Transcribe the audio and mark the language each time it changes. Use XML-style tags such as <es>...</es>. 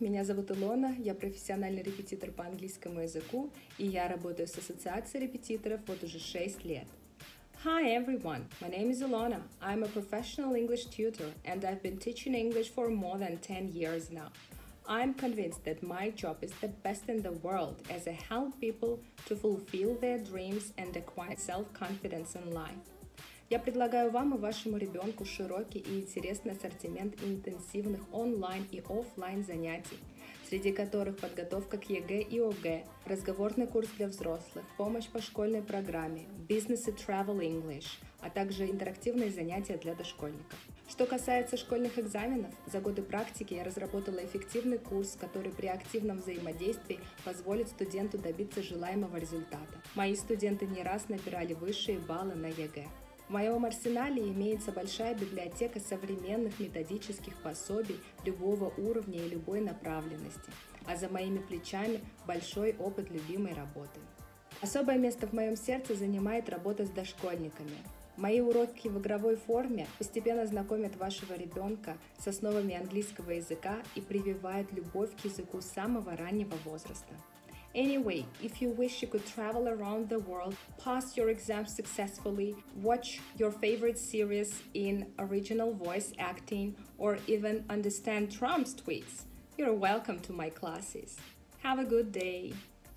<ru>Меня зовут Илона, я профессиональный репетитор по английскому языку, и я работаю с Ассоциацией репетиторов вот уже 6 лет.</ru> <en>Hi everyone! My name is Ilona. I'm a professional English tutor, and I've been teaching English for more than 10 years now. I'm convinced that my job is the best in the world, as I help people to fulfill their dreams and acquire self-confidence in life.</en> <ru>Я предлагаю вам и вашему ребенку широкий и интересный ассортимент интенсивных онлайн и офлайн занятий, среди которых подготовка к ЕГЭ и ОГЭ, разговорный курс для взрослых, помощь по школьной программе, бизнес и travel English, а также интерактивные занятия для дошкольников. Что касается школьных экзаменов, за годы практики я разработала эффективный курс, который при активном взаимодействии позволит студенту добиться желаемого результата. Мои студенты не раз набирали высшие баллы на ЕГЭ. В моем арсенале имеется большая библиотека современных методических пособий любого уровня и любой направленности, а за моими плечами большой опыт любимой работы. Особое место в моем сердце занимает работа с дошкольниками. Мои уроки в игровой форме постепенно знакомят вашего ребенка с основами английского языка и прививают любовь к языку с самого раннего возраста.</ru> <en>Anyway, if you wish you could travel around the world, pass your exams successfully, watch your favorite series in original voice acting, or even understand Trump's tweets, you're welcome to my classes. Have a good day!</en>